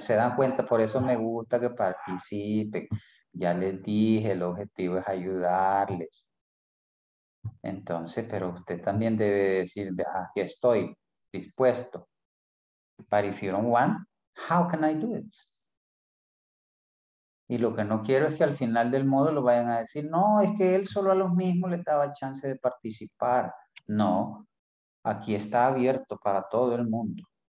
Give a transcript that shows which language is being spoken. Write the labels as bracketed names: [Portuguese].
[Spanish] Se dan cuenta, por eso me gusta que participen. Ya les dije, el objetivo es ayudarles. Entonces, pero usted también debe decir, aquí estoy dispuesto. [English] But if you don't want, how can I do it? [Spanish] Y lo que no quiero es que al final del módulo vayan a decir, no, es que él solo a los mismos le daba chance de participar. No, aquí está abierto para todo el mundo.